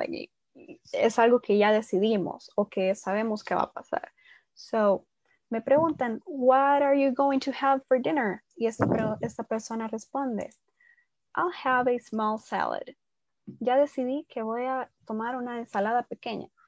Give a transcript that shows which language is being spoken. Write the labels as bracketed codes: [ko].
[es] Like, es algo que ya decidimos o que sabemos que va a pasar. [en] So, [es] me preguntan, [en] what are you going to have for dinner? [es] Y esta persona responde, [en] I'll have a small salad. [es] Ya decidí que voy a tomar una ensalada pequeña.